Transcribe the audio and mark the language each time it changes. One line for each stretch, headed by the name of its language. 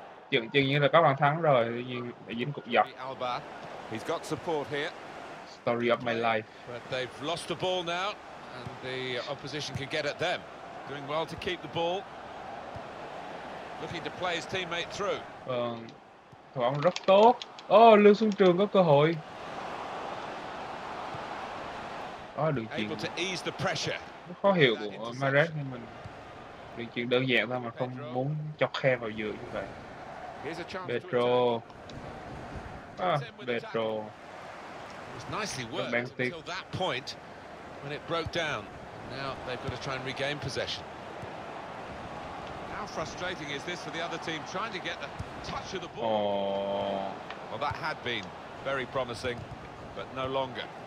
Vietnamese: Chừng chừng như là có bàn thắng rồi, tuy nhiên lại dính cục giật.
English: He's got support here. Story of my life. But they've lost the ball now and the opposition can get at them. Doing well to keep the ball. Looking to play his teammate through.
Vietnamese: Thủ bóng rất tốt. Oh, Lương Xuân Trường có cơ hội. Oh, đường chuyền.
English: Able to ease the pressure.
Vietnamese: Rất khó hiểu của Mares nhưng mình đường chuyền đơn giản thôi mà không muốn chọc khe vào giữa như vậy. Pedro. Pedro.
English: It's nicely worked until that point when it broke down. Now they've got to try and regain possession. How frustrating is this for the other team trying to get the touch of the ball? Oh. Well, that had been very promising, but no longer.